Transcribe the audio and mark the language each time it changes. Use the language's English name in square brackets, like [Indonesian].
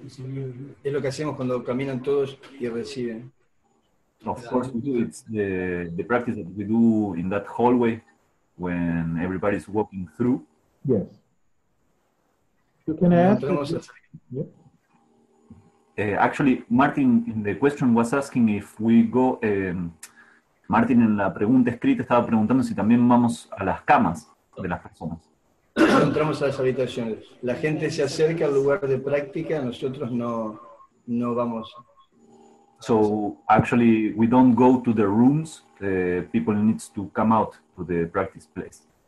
[Spanish] Es lo que hacemos cuando caminan todos y reciben. [English] Of course we do. It's the practice that we do in that hallway when everybody's walking through. Yes. You can ask. Actually, Martin in the question was asking if we go... [Spanish] Martin en la pregunta escrita estaba preguntando si también vamos a las camas de las personas. Entramos a las habitaciones. La gente se acerca al lugar de práctica, nosotros no vamos. [English] So actually we don't go to the rooms. People need to come out to the practice place.